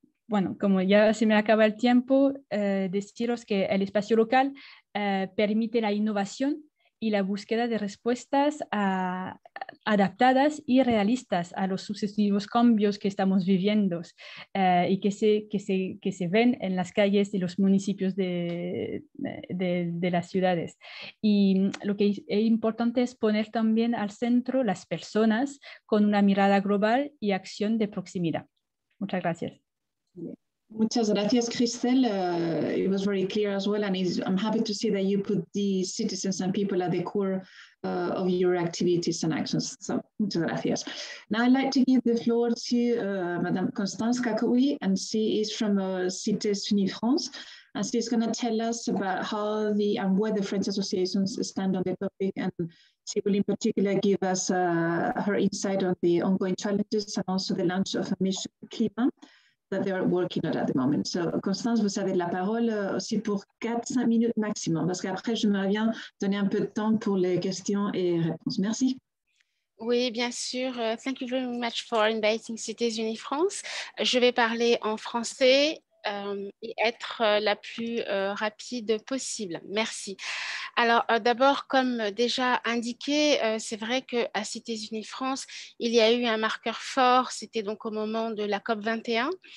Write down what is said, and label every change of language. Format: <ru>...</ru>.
<es>Bueno, como ya se me acaba el tiempo, deciros que el espacio local permite la innovación y la búsqueda de respuestas adaptadas y realistas a los sucesivos cambios que estamos viviendo y que se ven en las calles y los municipios de las ciudades. Y lo que es importante es poner también al centro las personas con una mirada global y acción de proximidad. Muchas gracias. Muchas gracias, Christelle.</es> <en>It was very clear as well, and I'm happy to see that you put the citizens and people at the core of your activities and actions. So,</en> <es>muchas gracias.</es> <en>Now I'd like to give the floor to Madame Constance Kakoui, and she is from CITES Unis France, and she's going to tell us about how the and where the French associations stand on the topic, and she will in particular give us her insight on the ongoing challenges and also the launch of a mission Clima that they are working on at the moment.</en> <fr>So, Constance, vous avez la parole aussi pour 4-5 minutes maximum, parce qu'après, je me reviens donner un peu de temps pour les questions et réponses. Merci. Oui, bien sûr.</fr> <en>Thank you very much for inviting Cités Unies France.</en> <fr>Je vais parler en français et être la plus rapide possible. Merci. Alors, d'abord, comme déjà indiqué, c'est vrai qu'à Cités Unies France, il y a eu un marqueur fort, c'était donc au moment de la COP21.</fr>